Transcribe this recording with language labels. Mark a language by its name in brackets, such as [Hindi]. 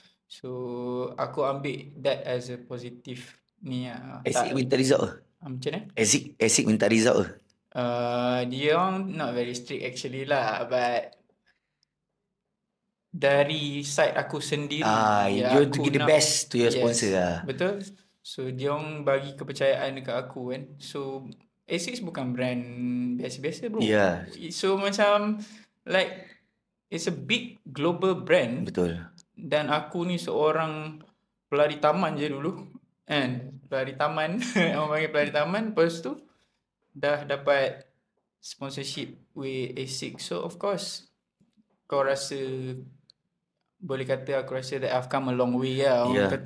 [Malay] So aku ambil [English] that as a positive [Malay] ni lah. Tak Asik minta result ke? Macam mana? Asik, asik minta result ke? Dia orang [English] not very strict actually [Malay] lah, but dari side aku sendiri, [English] you to give the best to your sponsor lah. [Malay] Betul. So dia orang bagi kepercayaan dekat aku kan. So Asics bukan brand biasa-biasa bro. Yeah. [English] So macam like it's a big global brand. [Malay] Betul. Dan aku ni seorang pelari taman je dulu. And pelari taman, orang panggil pelari taman. Lepas tu dah dapat sponsorship with Asics. So of course kau rasa, boleh kata aku rasa [English] that I've come a long way [Malay] lah. Orang kata,